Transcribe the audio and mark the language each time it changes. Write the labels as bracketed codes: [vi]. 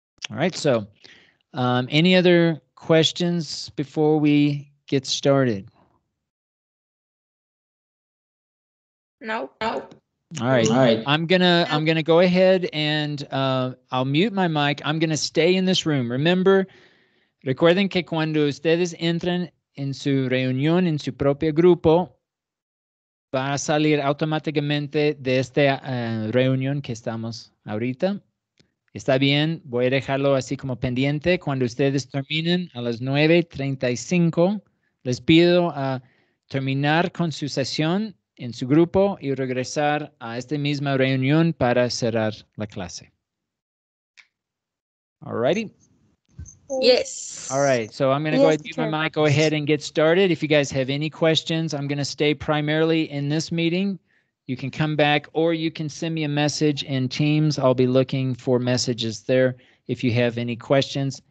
[en] All right, so any other questions before we get started? No. All right. I'm gonna go ahead and I'll mute my mic. I'm gonna stay in this room. [es] Remember, recuerden que cuando ustedes entran en su reunión, en su propio grupo, va a salir automáticamente de esta reunión que estamos ahorita. Está bien, voy a dejarlo así como pendiente. Cuando ustedes terminen a las 9:35, les pido a terminar con su sesión en su grupo y regresar a esta misma reunión para cerrar la clase. [en] Alrighty. Yes. Alright, so I'm going to go ahead and get started. If you guys have any questions, I'm going to stay primarily in this meeting. You can come back or you can send me a message in Teams. I'll be looking for messages there if you have any questions.